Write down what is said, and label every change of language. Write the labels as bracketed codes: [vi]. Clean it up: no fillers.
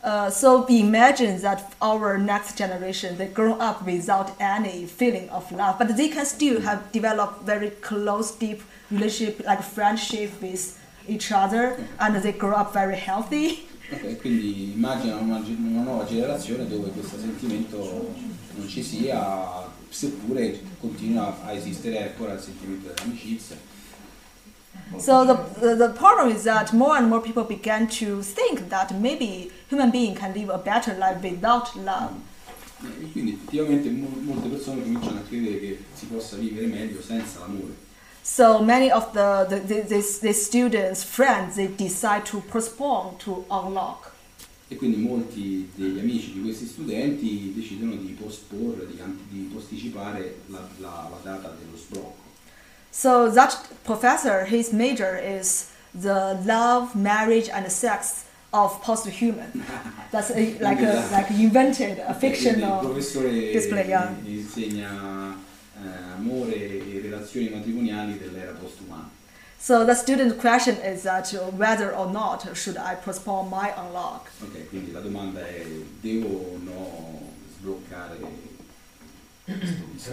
[en] So imagine that our next generation, they grow up without any feeling of love, but they can still have developed very close, deep relationship, like friendship with each other, and they grow up very healthy. [it] Okay, quindi immagina una nuova generazione dove questo sentimento non ci sia, seppure continua a esistere ancora il sentimento dell'amicizia. [en] So the problem is that more and more people began to think that maybe human being can live a better life without love. [it] Quindi effettivamente molte persone cominciano a credere che si possa vivere meglio senza l'amore. [en] So many of the students' friends they decide to postpone to unlock. [it] E quindi molti degli amici di questi studenti decidono di posporre, di posticipare la data dello sblocco. [en] So that professor, his major is the love, marriage, and sex of post-human. That's like invented a fictional display. Yeah. [it] Insegna amore e relazioni matrimoniali dell'era post-umana. [en] So the student question is that whether or not should I postpone my unlock? [it] Okay, quindi la domanda è devo o no sbloccare questo